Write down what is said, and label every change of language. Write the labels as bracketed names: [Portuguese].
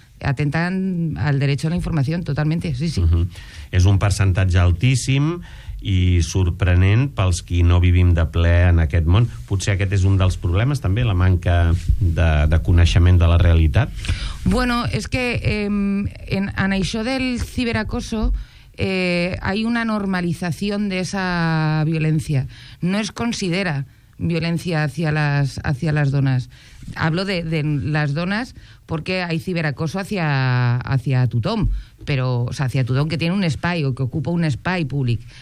[Spanish] Atentan al derecho a la información, totalmente, sí, sí. Uh-huh. [Catalan] És un percentatge altíssim i sorprenent pels qui no vivim de ple en aquest món. Potser aquest és un dels problemes, també, la manca de coneixement de la realitat. [Spanish] Bueno, es que [Catalan] en això del [Spanish] ciberacoso hay una normalización de esa violencia. No es considera violencia hacia las donas. Hablo de las donas porque hay ciberacoso hacia tothom, pero, o sea, hacia tothom que tiene un espai o que [Catalan] ocupa un espai públic.